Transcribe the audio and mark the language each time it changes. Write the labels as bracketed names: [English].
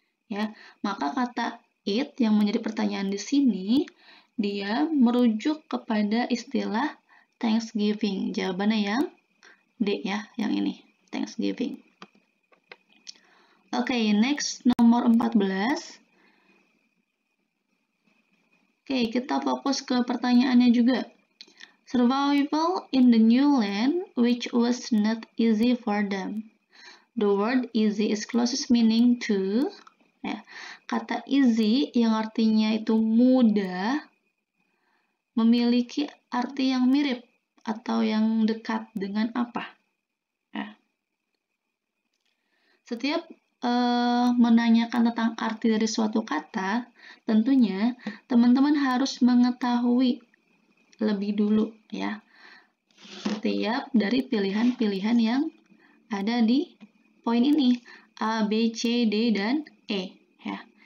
[Indonesian] Ya, maka kata it yang menjadi pertanyaan di sini dia merujuk kepada istilah Thanksgiving. Jawabannya yang D ya, yang ini. Thanksgiving. Oke, next nomor 14. Oke, kita fokus ke pertanyaannya juga. [English] Survival in the new land, which was not easy for them. The word easy is closest meaning to. [Indonesian] Ya, kata easy yang artinya itu mudah memiliki arti yang mirip atau yang dekat dengan apa? Ya. Setiap menanyakan tentang arti dari suatu kata, tentunya teman-teman harus mengetahui lebih dulu ya setiap dari pilihan-pilihan yang ada di poin ini A, B, C, D, dan E ya.